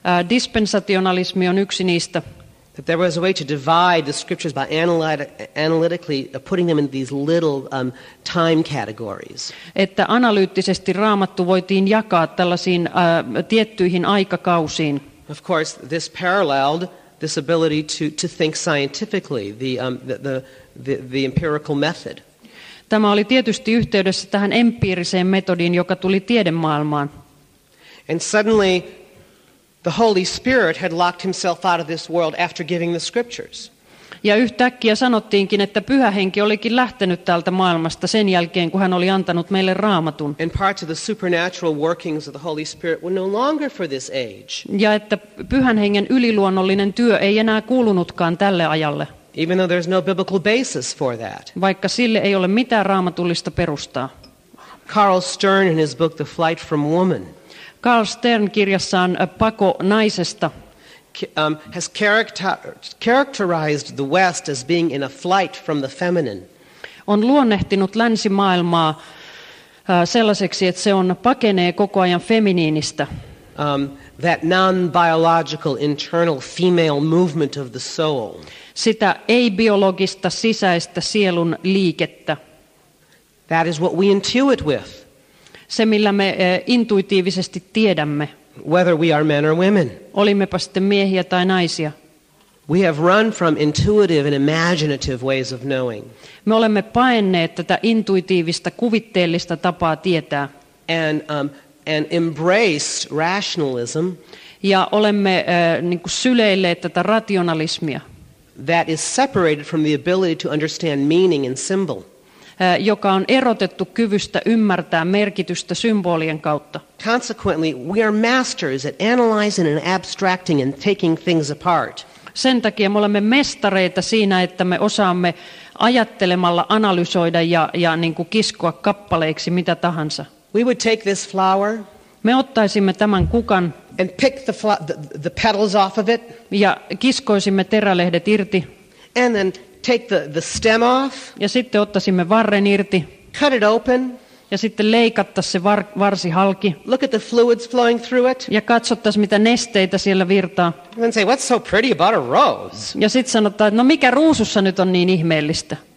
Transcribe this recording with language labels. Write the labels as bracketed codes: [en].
[fi] Dispensationalismi on yksi niistä. [en] That there was a way to divide the scriptures by analytically putting them in these little time categories. [fi] Että analyyttisesti Raamattu voitiin jakaa tällaisiin tiettyihin aikakausiin. [en] Of course, this paralleled this ability to think scientifically, the empirical method. [fi] Tämä oli tietysti yhteydessä tähän empiiriseen metodiin, joka tuli tiedemaailmaan. [en] And suddenly the Holy Spirit had locked himself out of this world after giving the scriptures. [fi] Ja yhtäkkiä sanottiinkin, että Pyhä Henki olikin lähtenyt tältä maailmasta sen jälkeen, kun hän oli antanut meille Raamatun. [en] And parts of the supernatural workings of the Holy Spirit were no longer for this age. [fi] Ja että Pyhän Hengen yliluonnollinen työ ei enää kuulunutkaan tälle ajalle. [en] Even though there's no biblical basis for that. [fi] Vaikka sille ei ole mitään raamatullista perustaa. [en] Carl Stern in his book The Flight from Woman. [fi] Carl Stern kirjassaan Pako naisesta [en] has characterized the West as being in a flight from the feminine. [fi] On luonnehtinut länsimaailmaa sellaiseksi, että se on pakenee koko ajan feminiinistä. [en] That non-biological internal female movement of the soul. [fi] Sitä ei-biologista sisäistä sielun liikettä. [en] That is what we intuit with. [fi] Se, millä me intuitiivisesti tiedämme. [en] Whether we are men or women. [fi] Olimmepa sitten miehiä tai naisia. [en] We have run from intuitive and imaginative ways of knowing. [fi] Me olemme paenneet tätä intuitiivista, kuvitteellista tapaa tietää. [en] And embraced rationalism. [fi] Ja olemme niin kuin syleilleet tätä rationalismia. [en] That is separated from the ability to understand meaning and symbol. [fi] Joka on erotettu kyvystä ymmärtää merkitystä symbolien kautta. [en] Consequently, we are masters at analyzing and abstracting and taking things apart. [fi] Sen takia me olemme mestareita siinä, että me osaamme ajattelemalla analysoida ja niin kuin kiskoa kappaleiksi mitä tahansa. [en] We would take this flower. [fi] Me ottaisimme tämän kukan [en] and pick the petals off of it. [fi] Ja kiskoisimme terälehdet irti. [en] And then take the stem off. [fi] Ja sitten ottaisimme varren irti. [en] Cut it open. [fi] Ja sitten leikattaisi se varsi halki. [en] Look at the fluids flowing through it. [fi] Ja katsottaisi mitä nesteitä siellä virtaa. [en] And then say, what's so pretty about a rose? [fi] Ja sitten sanotaan, että no mikä ruusussa nyt on niin ihmeellistä?